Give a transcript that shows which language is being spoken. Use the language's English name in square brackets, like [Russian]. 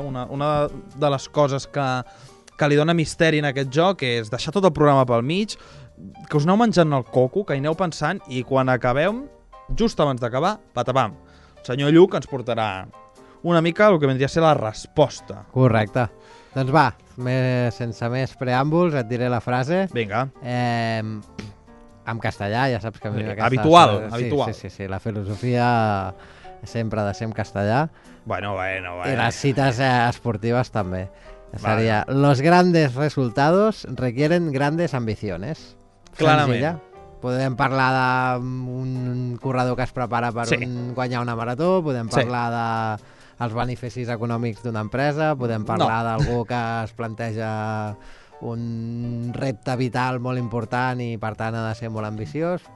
[Catalan] Una de les coses que li dona misteri en aquest joc és deixar tot el programa pel mig, que us aneu menjant el coco, que hi aneu pensant, i quan acabem, just abans d'acabar, patapam, el senyor Lluch ens portarà una mica el que vindria a ser la resposta. Correcte. Doncs va, sense més preàmbuls, et diré la frase. Vinga. En castellà, ja saps que a mi... Habitual. Sí, la filosofia sempre ha de ser en castellà. Bueno. I les cites esportives també. [Spanish] Seria, los grandes resultados requieren grandes ambiciones. [Catalan] Clarament. Podem parlar d'un corredor que es prepara per guanyar una marató, podem parlar dels beneficis econòmics d'una empresa, podem parlar d'algú que es planteja un repte vital molt important i, per tant, ha de ser molt ambiciós.